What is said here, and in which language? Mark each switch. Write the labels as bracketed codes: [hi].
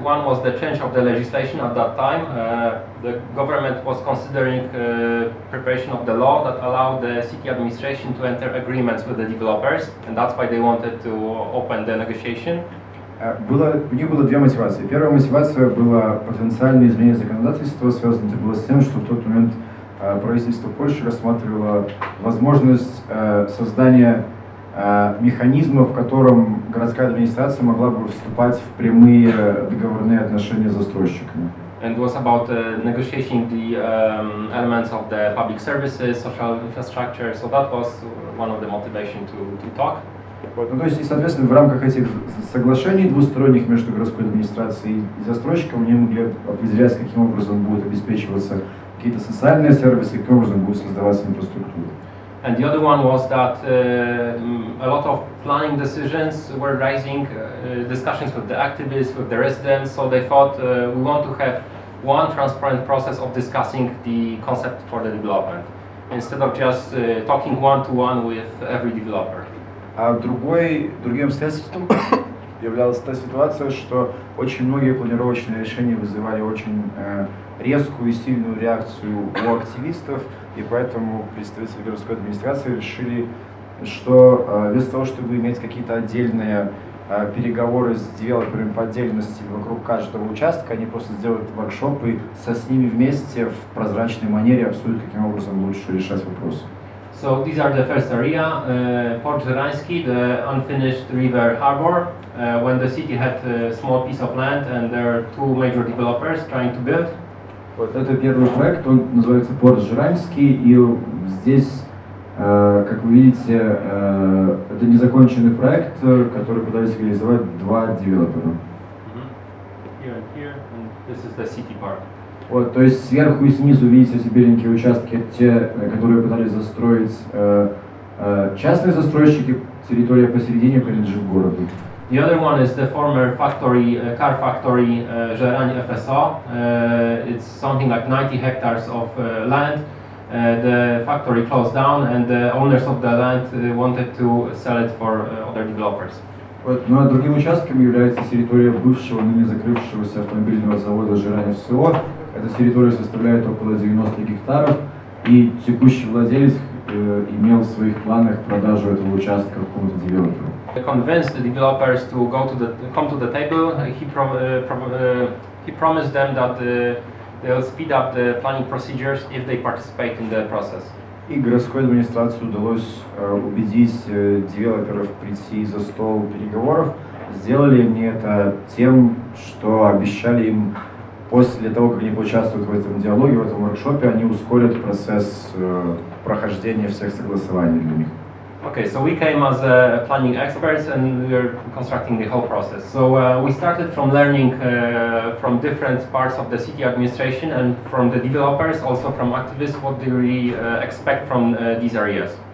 [en] One was the change of the legislation at that time. The government was considering preparation of the law that allowed the city administration to enter agreements with the developers, and that's why they wanted to open the negotiation. [ru] У них было две мотивации. Первая мотивация была потенциальные изменения законодательства, связанные это было с тем, что в тот момент правительство Польши рассматривало возможность создания механизма, в котором городская администрация могла бы вступать в прямые договорные отношения с застройщиками. [en] And was about negotiating the elements of the public services, social infrastructure. So that was one of the motivation to talk. [ru] Вот, ну, то есть, и, соответственно, в рамках этих соглашений двусторонних между городской администрацией и застройщиком они могли определять, каким образом будут обеспечиваться какие-то социальные сервисы, каким образом будет создаваться инфраструктура. [en] And the other one was that a lot of planning decisions were raising discussions with the activists, with the residents, so they thought we want to have one transparent process of discussing the concept for the development, instead of just talking one-to-one with every developer. [ru] А другим следствием являлась та ситуация, что очень многие планировочные решения вызывали очень резкую и сильную реакцию у активистов, и поэтому представители городской администрации решили, что вместо того, чтобы иметь какие-то отдельные переговоры с девелоперами по отдельности вокруг каждого участка, они просто сделают воркшоп и с ними вместе в прозрачной манере обсудят, каким образом лучше решать вопрос. [en] So these are the first area, Port Żerański, the unfinished river harbor, when the city had a small piece of land and there are two major developers trying to build. [ru] Вот это первый проект, он называется Порт Жиранский, и здесь, как вы видите, это незаконченный проект, который пытались реализовать два девелопера. Mm-hmm. [en] Here and here, and this is the city park. [ru] Вот, то есть сверху и снизу видите эти беленькие участки, те, которые пытались застроить частные застройщики, территория посередине принадлежит городу. [en] The other one is the former factory, car factory, Żerań FSO. It's something like 90 hectares of land. The factory closed down, and the owners of the land wanted to sell it for other developers. [ru] Вот, ну а другим участком является территория бывшего, ныне закрывшегося автомобильного завода Żerań FSO. Эта территория составляет около 90 гектаров, и текущий владелец имел в своих планах продажу этого участка какому-то девелоперу. [en] Convinced the developers to go to the come to the table. He promised them that they'll speed up the planning procedures if they participate in the process. [ru] И городской администрации удалось убедить девелоперов прийти за стол переговоров. Сделали они это тем, что обещали им после того, как они поучаствуют в этом диалоге, в этом воркшопе, они ускорят процесс прохождения всех согласований для них. [en] Okay, so we came as planning experts and we are constructing the whole process. So we started from learning from different parts of the city administration and from the developers, also from activists, what they really expect from these areas.